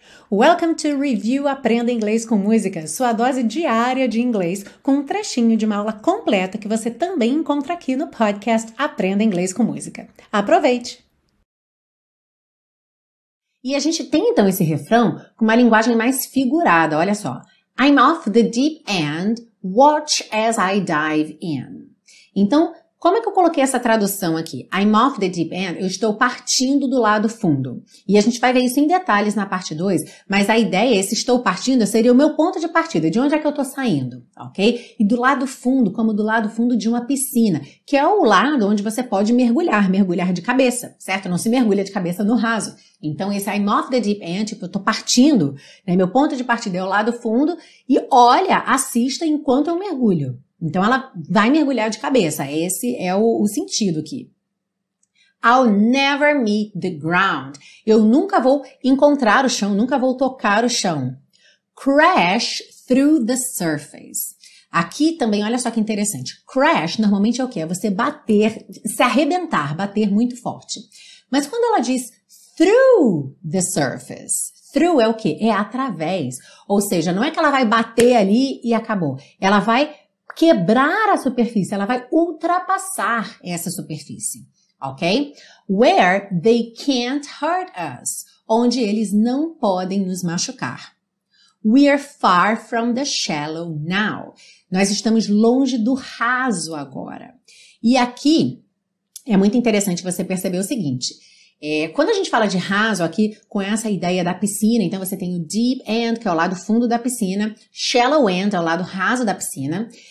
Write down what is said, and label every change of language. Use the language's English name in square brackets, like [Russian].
[English] Welcome to [Portuguese] Review Aprenda Inglês com Música, sua dose diária de inglês, com um trechinho de uma aula completa que você também encontra aqui no podcast Aprenda Inglês com Música. Aproveite! E a gente tem então esse refrão com uma linguagem mais figurada, olha só. [English] I'm off the deep end, watch as I dive in. [Portuguese] Então, como é que eu coloquei essa tradução aqui? [English] I'm off the deep end, [Portuguese] eu estou partindo do lado fundo. E a gente vai ver isso em detalhes na parte 2, mas a ideia, esse estou partindo, seria o meu ponto de partida, de onde é que eu estou saindo, ok? E do lado fundo, como do lado fundo de uma piscina, que é o lado onde você pode mergulhar de cabeça, certo? Não se mergulha de cabeça no raso. Então, esse [English] I'm off the deep end, [Portuguese] tipo, eu estou partindo, né? Meu ponto de partida é o lado fundo, e olha, assista enquanto eu mergulho. Então ela vai mergulhar de cabeça. Esse é o sentido aqui. [English] I'll never meet the ground. [Portuguese] Eu nunca vou encontrar o chão, nunca vou tocar o chão. [English] Crash through the surface. [Portuguese] Aqui também, olha só que interessante. Crash normalmente é o quê? É você bater, se arrebentar, bater muito forte. Mas quando ela diz [English] through the surface, [Portuguese] through é o quê? É através. Ou seja, não é que ela vai bater ali e acabou. Ela vai quebrar a superfície, ela vai ultrapassar essa superfície, ok? [English] Where they can't hurt us, [Portuguese] onde eles não podem nos machucar. [English] We are far from the shallow now. [Portuguese] Nós estamos longe do raso agora. E aqui é muito interessante você perceber o seguinte. Quando a gente fala de raso aqui, com essa ideia da piscina, então você tem o deep end, que é o lado fundo da piscina, shallow end é o lado raso da piscina.